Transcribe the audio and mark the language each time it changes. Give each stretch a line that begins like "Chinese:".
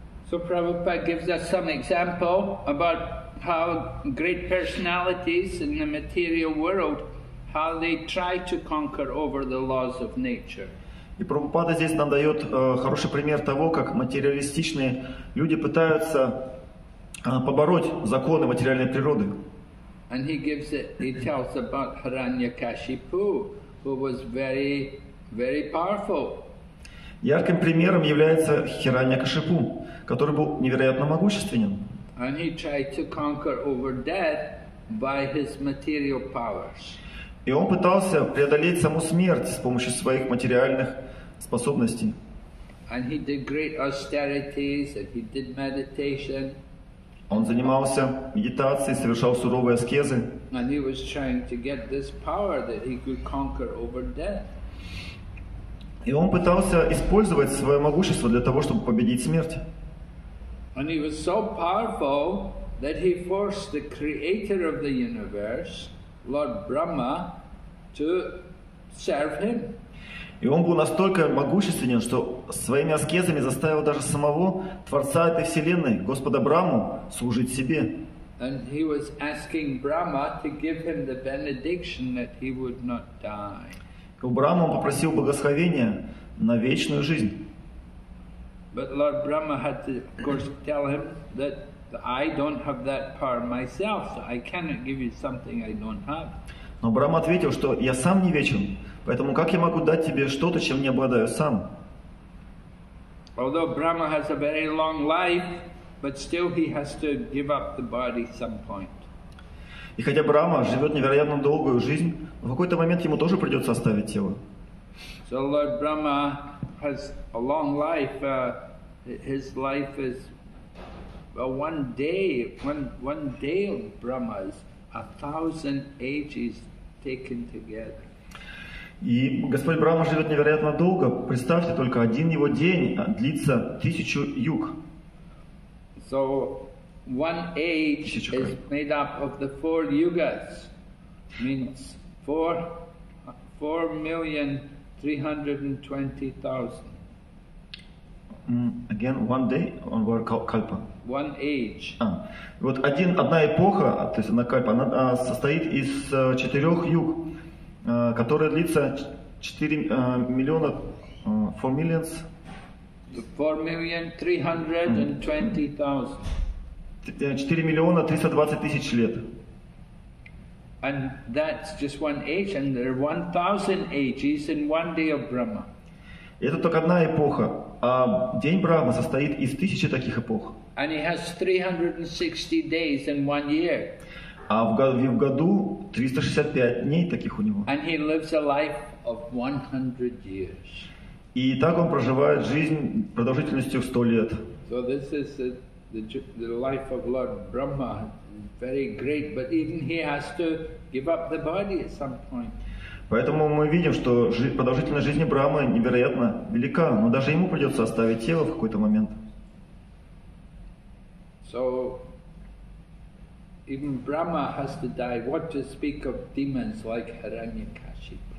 English: So Prabhupada gives us some example about how great personalities in the material world, how they try to conquer over the laws of nature.
Russian: И Прабхупада здесь нам дает хороший пример того, как материалистичные люди пытаются побороть законы материальной природы.
English: And he tells about Hiranyakashipu, who was very, very powerful.
Russian: Ярким примером является Хираньякашипу, который был невероятно могущественен.
English: And he tried to conquer over death by his material powers.
Russian: И он пытался преодолеть саму смерть с помощью своих материальных способностей.
English: And he did great austerities, and he did meditation.
Russian: Он занимался медитацией, совершал суровые аскезы.
English: And he was trying to get this power that he could conquer over death.
Russian: И он пытался использовать свое могущество для того, чтобы победить смерть.
English: And he was so powerful that he forced the creator of the universe, Lord Brahma, to serve him.
Russian: И он был настолько могущественен, что своими аскезами заставил даже самого Творца этой Вселенной, Господа Брахму, служить себе.
English: And he was asking Brahma to give him the benediction that he would not die.
Russian: У Брахмы он попросил благословения на вечную жизнь.
English: But Lord Brahma had to, of course, tell him that I don't have that power myself, so I cannot give you something I don't have.
Russian: Но Брахма ответил, что я сам не вечен, поэтому как я могу дать тебе что-то, чем не обладаю сам?
English: Although Brahma has a very long life, but still he has to give up the body some point.
Russian: И хотя Брахма живет невероятно долгую жизнь, в какой-то момент ему тоже придется оставить тело.
English: So Lord Brahma has a long life. His life is one day of Brahma's, 1,000 ages taken together.
Russian: И Господь Брахма живет невероятно долго. Представьте только, один его день длится 1,000 юг.
English: So one age is made up of the four yugas, means 4,320,000. Again, one day on our kalpa. One age.
Russian: Вот одна эпоха, то есть одна кальпа, она состоит из четырех юг, которые длится 4 миллиона,
English: 4 millions. 4,320,000.
Russian: 4,320,000 лет.
English: And that's just one age, and there are 1,000 ages in one day of Brahma.
Russian: Это только одна эпоха, а день Брахмы состоит из тысячи таких эпох.
English: And he has 360 days in one year.
Russian: А в году 365 дней таких у него.
English: And he lives a life of 100 years.
Russian: И так он проживает жизнь продолжительностью в 100 лет.
English: So this is the life of Lord Brahma, very great, but even he has to give up the body at some point.
Russian: Поэтому мы видим, что продолжительность жизни Брахмы невероятно велика, но даже ему придется оставить тело в какой-то момент.
English: So even Brahma has to die. What to speak of demons like Hiranyakashipu?